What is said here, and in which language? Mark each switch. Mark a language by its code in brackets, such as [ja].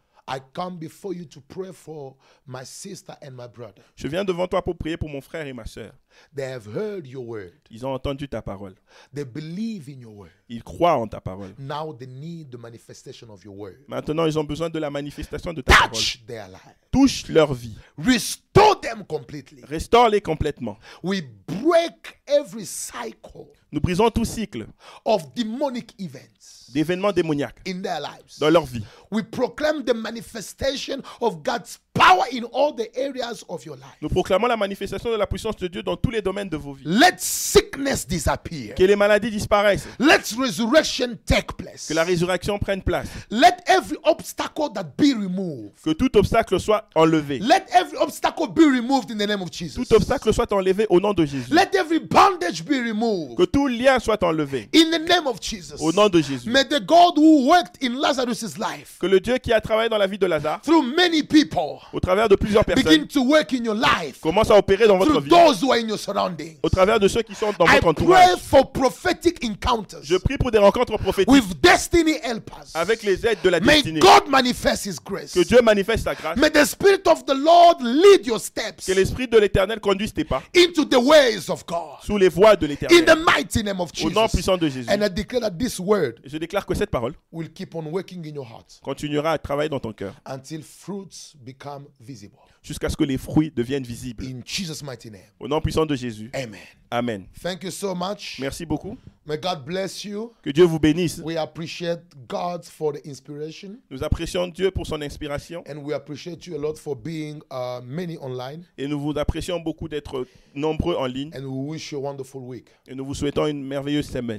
[en] I come before you to pray for my sister and my brother. [fr] Je viens devant toi pour prier pour mon frère et ma sœur. [en] They have heard your word. [fr] Ils ont entendu ta parole. [en] They believe in your word. [fr] Ils croient en ta parole. [en] Now they need the manifestation of your word. [fr] Maintenant, ils ont besoin de la manifestation de ta [en] Touch [fr] parole. [en] Their life. [fr] Touche leur vie. [en] Restore them completely. [fr] Restaure-les complètement. [en] We break every cycle. [fr] Nous brisons tout cycle [en] of demonic events. [fr] D'événements démoniaques [en] in their lives. [fr] Dans leur vie. [en] We proclaim the manifestation of God's power in all the areas of your life. [fr] Nous proclamons la manifestation de la puissance de Dieu dans tous les domaines de vos vies. [en] Let sickness disappear. [fr] Que les maladies disparaissent. [en] Let resurrection take place. [fr] Que la résurrection prenne place. [en] Let every obstacle that be removed. [fr] Que tout obstacle soit enlevé. [en] Let every obstacle be removed in the name of Jesus. [fr] Tout obstacle soit enlevé au nom de Jésus. [en] Let every bandage be removed. [fr] Que tout lien soit enlevé. [en] In the name of Jesus. [fr] Au nom de Jésus. [en] May the God who worked in Lazarus's life. [fr] Que le Dieu qui a travaillé dans la vie de Lazare. [en] Through many people. [fr] Au travers de plusieurs personnes. [en] Begin to work in your life. [fr] Commence à opérer dans votre vie. [en] Through those who are in your surroundings. [fr] Au travers de ceux qui sont dans [en] I [fr] votre entourage. [en] I pray for prophetic encounters. [fr] Je prie pour des rencontres prophétiques. [en] With destiny helpers. [fr] Avec les aides de la [en] May [fr] destinée. [en] May God manifest His grace. [fr] Que Dieu manifeste sa grâce. [en] May the Spirit of the Lord lead your steps. [fr] Que l'Esprit de l'Éternel conduise tes pas. [en] Into the ways of God. [fr] Sous les voies de l'Éternel. [en] In the mighty name of Jesus. [fr] Au nom puissant de Jésus. [en] And I declare that this word. [fr] Et je déclare que cette parole. [en] Will keep on working in your heart. [fr] Continuera à travailler dans ton cœur. [en] Until fruits become visible. [fr] Jusqu'à ce que les fruits deviennent visibles. [en] In Jesus' mighty name. [fr] Au nom puissant de Jésus. [en] Amen. [fr] Amen. [en] Thank you so much. [fr] Merci beaucoup. [en] May God bless you. [fr] Que Dieu vous bénisse. [en] We appreciate God for the inspiration. [fr] Nous apprécions Dieu pour son inspiration. [en] And we appreciate you a lot for being many online. [fr] Et nous vous apprécions beaucoup d'être nombreux en ligne. [en] And we wish you a wonderful week. [fr] Et nous vous souhaitons une merveilleuse semaine.